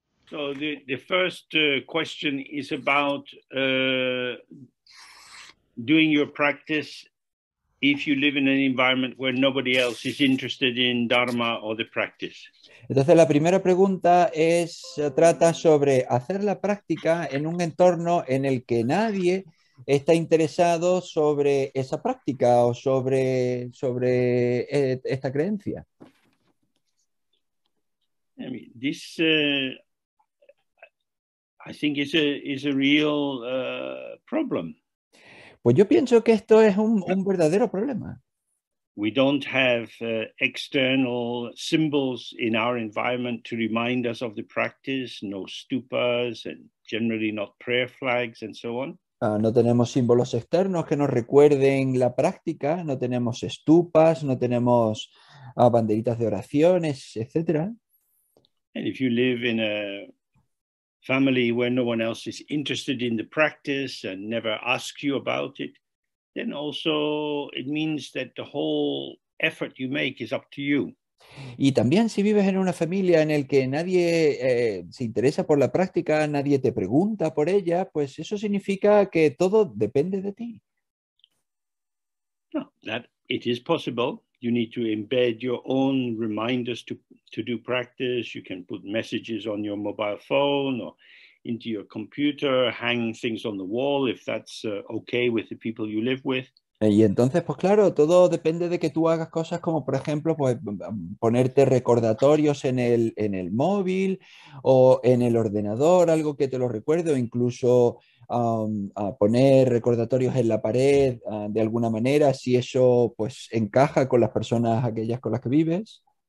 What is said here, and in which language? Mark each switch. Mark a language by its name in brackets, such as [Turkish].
[English] So the first question is about doing your practice if you live in an environment where nobody else is interested in Dharma or the practice. [Spanish] Entonces la primera pregunta es trata sobre hacer la práctica en un entorno en el que nadie está interesado sobre esa práctica o sobre esta creencia. [English] This I think it's a real problem. [Spanish] Pues yo pienso que esto es un verdadero problema. [English] We don't have external symbols in our environment to remind us of the practice, no stupas and generally not prayer flags and so on. [Spanish] No tenemos símbolos externos que nos recuerden la práctica, no tenemos estupas, no tenemos banderitas de oraciones, etc. [English] And if you live in a family where no one else is interested in the practice and never asks you about it, then also it means that the whole effort you make is up to you. [Spanish] Y también si vives en una familia en el que nadie se interesa por la práctica, nadie te pregunta por ella, pues eso significa que todo depende de ti. [English] No, that it is possible. You need to embed your own reminders to do practice. You can put messages on your mobile phone or into your computer, hang things on the wall if that's okay with the people you live with. [Spanish] Y entonces, pues claro, todo depende de que tú hagas cosas como, por ejemplo, pues, ponerte recordatorios en el móvil o en el ordenador, algo que te lo recuerde, o incluso a poner recordatorios en la pared de alguna manera, si eso pues encaja con las personas aquellas con las que vives.